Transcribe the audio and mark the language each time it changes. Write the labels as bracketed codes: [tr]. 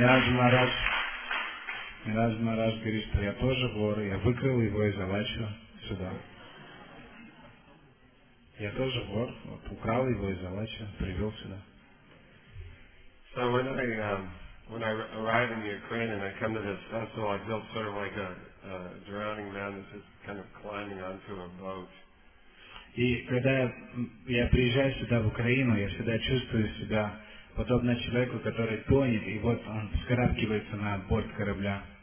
[ru] Мираж Махарадж говорит, что я тоже вор, я выкрыл его и заволочил сюда. Я тоже вор, вот, украл его и заволочил, привел сюда. [en] So when I arrive in the Ukraine and I come to this festival, I feel sort of like a drowning man that's just kind of climbing onto a boat. [ru] И когда я приезжаю сюда в Украину, я всегда чувствую себя подобно человеку, который тонет, и вот он вскарабкивается на борт корабля.